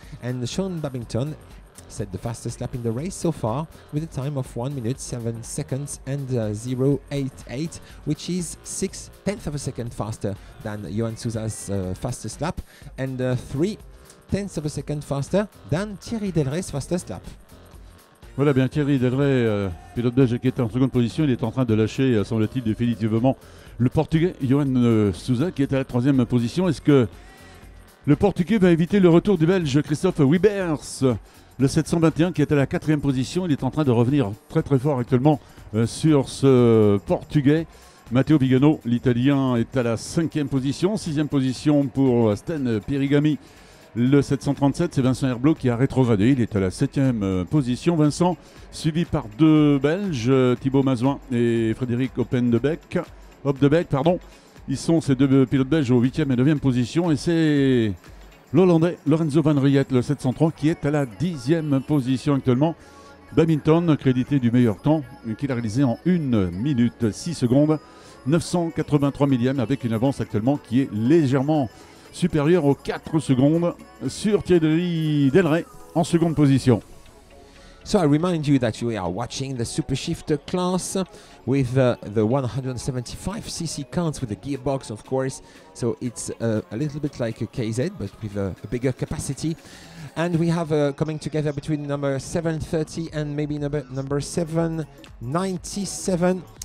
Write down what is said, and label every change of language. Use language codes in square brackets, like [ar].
[en] And Sean Babington set the fastest lap in the race so far with a time of 1 minute 7 seconds and 0.88, which is 6 tenths of a second faster than Johan Souza's fastest lap, and 3 tenths of a second faster than Thierry Del Rey's fastest lap. [fr] Voilà bien Thierry Del Rey, pilote belge qui est en seconde position, il est en train de lâcher, semble-t-il, définitivement le Portugais Johan Souza qui est à la 3e position. Est-ce que le Portugais va éviter le retour du Belge Christophe Wiebers, le 721 qui est à la 4e position? Il est en train de revenir très très fort actuellement sur ce Portugais. Matteo Vigano, l'Italien, est à la 5e position, 6e position pour Sten Perigami. Le 737, c'est Vincent Herblot qui a rétrogradé. Il est à la 7e position. Vincent, suivi par deux Belges, Thibaut Mazouin et Frédéric Hopdebeck. Ils sont ces deux pilotes belges aux 8e et 9e position. Et c'est l'Hollandais Lorenzo Van Riet, le 703, qui est à la 10e position actuellement. Babington, crédité du meilleur temps, qu'il a réalisé en 1 minute 6 secondes, 983 millièmes, avec une avance actuellement qui est légèrement supérieur aux 4 secondes sur Thierry Del Rey en seconde position. [en] So I remind you that we are watching the Super Shifter class with the 175cc counts with the gearbox, of course. So it's a little bit like a KZ, but with a bigger capacity. And we have coming together between number 730 and maybe number 797.